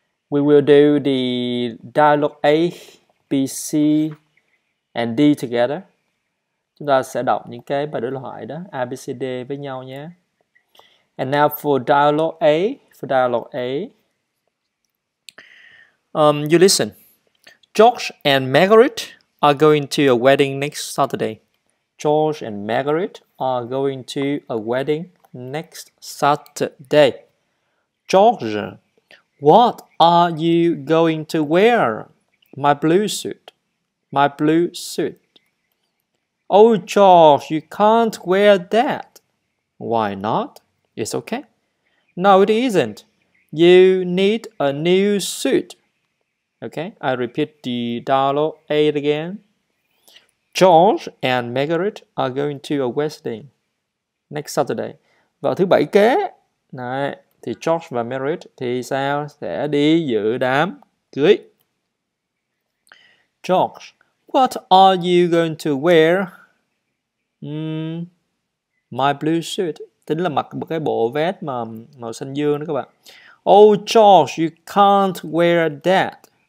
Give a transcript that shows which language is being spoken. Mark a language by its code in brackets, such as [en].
[en] We will do the dialogue A, B, C and D together. [vi] Chúng ta sẽ đọc những cái bài đối thoại đó, A, B, C, D với nhau nhé. [en] And now for dialogue A. You listen. George and Margaret are going to a wedding next Saturday. George and Margaret are going to a wedding next Saturday. George, what are you going to wear? My blue suit. My blue suit. Oh, George, you can't wear that. Why not? It's okay. No, it isn't. You need a new suit. Okay, I repeat the dialogue A again. George and Margaret are going to a wedding next Saturday. [vi] Vào thứ bảy kế, này, thì George và Margaret thì sao? Sẽ đi dự đám cưới. [en] George, what are you going to wear? My blue suit. [vi] Tính là mặc một cái bộ vest mà màu xanh dương đó các bạn. [en] Oh George, you can't wear that.